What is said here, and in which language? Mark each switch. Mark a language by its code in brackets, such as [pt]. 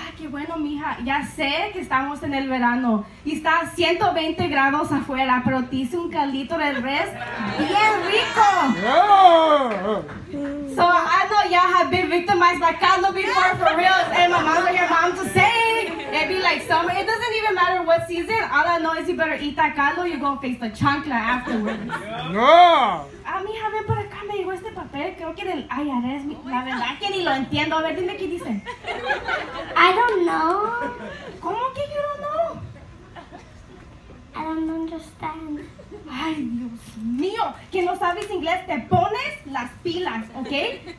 [es] Bueno, mija, ya sé que estamos en el verano y está a 120 grados afuera, pero te hice un caldito de res bien rico. [en] So I know y'all have been victimized by caldo before, for real. And my mom or your mom to say, it'd be like summer. It doesn't even matter what season. All I know is you better eat that caldo, you're gonna face the chancla afterwards. No. [es] Ah, mija, ven por acá, me llegó este papel. Creo que del IRS, la verdad que ni lo entiendo. A ver, dime qué dice. [en] I don't know. [es] ¿Cómo que [en] you don't know? I don't understand. [es] Ay, Dios mío, que no sabes inglés, te pones las pilas, ¿ok?